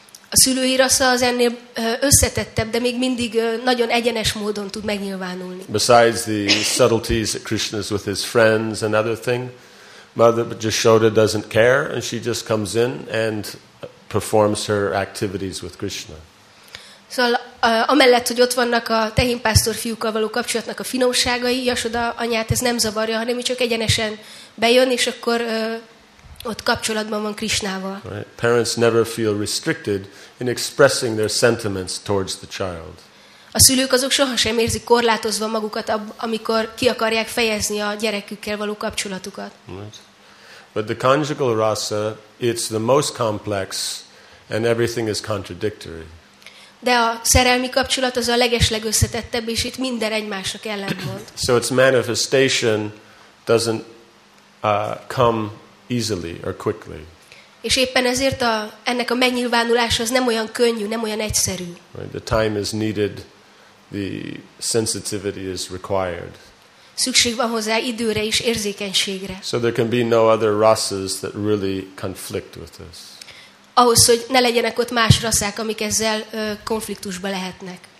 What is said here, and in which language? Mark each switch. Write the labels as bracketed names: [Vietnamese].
[Hungarian] A szülői rasa az ennél összetettebb, de még mindig nagyon egyenes módon tud megnyilvánulni. [English] Besides the subtleties that Krishna is with his friends and other things, Mother Jashoda doesn't care and she just comes in and performs her activities with Krishna. [Hungarian] Szóval, amellett, hogy ott vannak a tehénpásztor fiúkkal való kapcsolatnak a finomságai, Jashoda anyát ez nem zavarja, hanem csak egyenesen bejön és akkor ott kapcsolatban van Krishnával. [English] Right. Parents never feel restricted in expressing their sentiments towards the child. [Hungarian] A szülők azok sohasem érzik korlátozva magukat, amikor ki akarják fejezni a gyerekükkel való kapcsolatukat. [English] But the conjugal rasa, it's the most complex and everything is contradictory. [Hungarian] De a szerelmi kapcsolat az a legesleg összetettebb, és itt minden egymásnak ellentmond. [English] So its manifestation doesn't come easily or quickly. [Hungarian] És éppen ezért ennek a megnyilvánulása az nem olyan könnyű, nem olyan egyszerű. [English] Right. The time is needed. The sensitivity is required. [Hungarian] Szükség van hozzá időre és érzékenységre. [English] So there can be no other rasas that really conflict with this. [Hungarian] Ahhoz, hogy ne legyenek ott más raszák, amik ezzel konfliktusba lehetnek.